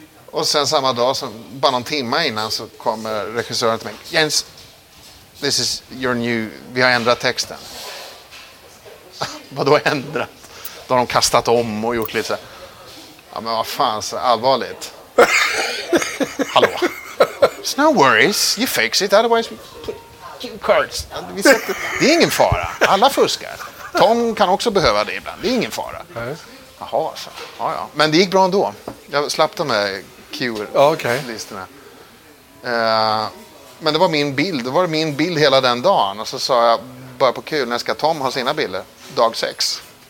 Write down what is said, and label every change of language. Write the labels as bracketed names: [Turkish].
[Swedish] Och sen samma dag, så bara någon timme innan, så kommer regissören till mig, Jens, [English] this is your new... [Swedish] Vi har ändrat texten. Vadå ändrat? Då har de kastat om och gjort lite så här. Ja, men vad fan, så allvarligt. [English] Hallå? It's no worries. You fix it, otherwise we put cue cards. [Swedish] Det är ingen fara. Alla fuskar. Tom kan också behöva det ibland. Det är ingen fara. Jaha, så. Ja, ja. Men det gick bra ändå. Jag slapp de här cue-listerna. Men det var min bild. Det var min bild hela den dagen. Och så sa jag, bara på kul, när ska Tom ha sina bilder? Dag 6.